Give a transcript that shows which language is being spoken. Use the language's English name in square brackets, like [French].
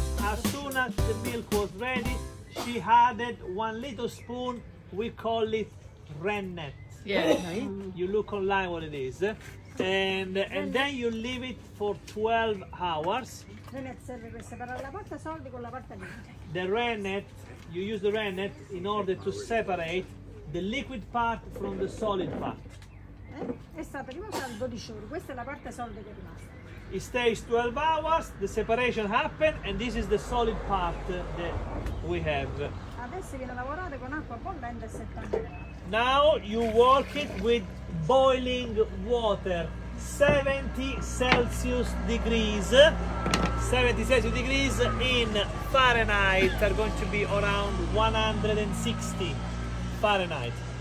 [English] As soon as the milk was ready, she added one little spoon. We call it Rennet. Yeah. You look online what it is, and then you leave it for 12 hours. [Italian] Rennet serve per separare la parte solida con la parte liquida. [English] The rennet, you use the rennet in order to separate the liquid part from the solid part. [Italian] È stata rimasta 12 ore. Questa è la parte solida che è rimasta. [English] It stays 12 hours. The separation happened, and this is the solid part that we have. Adesso viene lavorata con acqua bollente a 70 gradi. Now you work it with boiling water, 70 Celsius degrees. 70 Celsius degrees in Fahrenheit are going to be around 160 Fahrenheit.